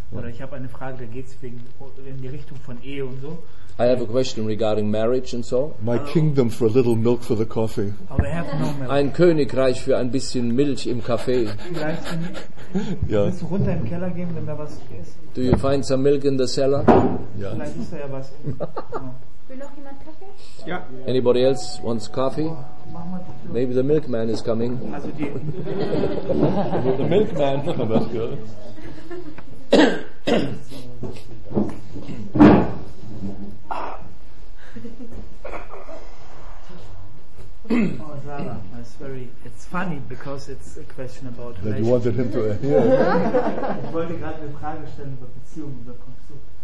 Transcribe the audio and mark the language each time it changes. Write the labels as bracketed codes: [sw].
[de] Ich habe eine Frage, da geht es in die Richtung von Ehe und so. [en] I have a question regarding marriage and so. My kingdom for a little milk for the coffee. Oh, they have no milk. [de] Ein Königreich für ein bisschen Milch im Kaffee. [en] Yeah. [de] Willst du runter im Keller gehen, wenn da was ist? [en] Do you find some milk in the cellar? [de] Yeah. Vielleicht ist da ja was. Will noch jemand Kaffee? Ja. [en] Anybody else wants coffee? Maybe the milkman is coming. [de] Also die. [en] The milkman. That's good. Oh, Sarah, that's very, it's funny because it's a question about that you wanted him to hear. [de] Ich wollte gerade eine Frage stellen über Beziehungen, da kommst du.